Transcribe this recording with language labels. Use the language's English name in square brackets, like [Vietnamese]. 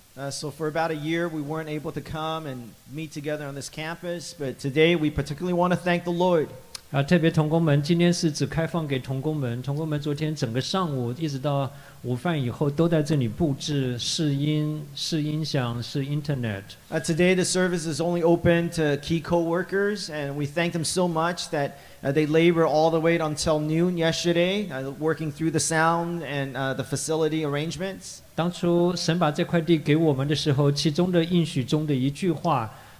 [English] So for about a year, we weren't able to come and meet together on this campus, but today we particularly want to thank the Lord. [Chinese] 特别同工们，今天是只开放给同工们。同工们昨天整个上午一直到午饭以后都在这里布置试音、试音响、试internet。 [English] Today the service is only open to key co-workers, and we thank them so much that they labor all the way until noon yesterday, working through the sound and the facility arrangements. [Chinese] 当初神把这块地给我们的时候，其中的应许中的一句话。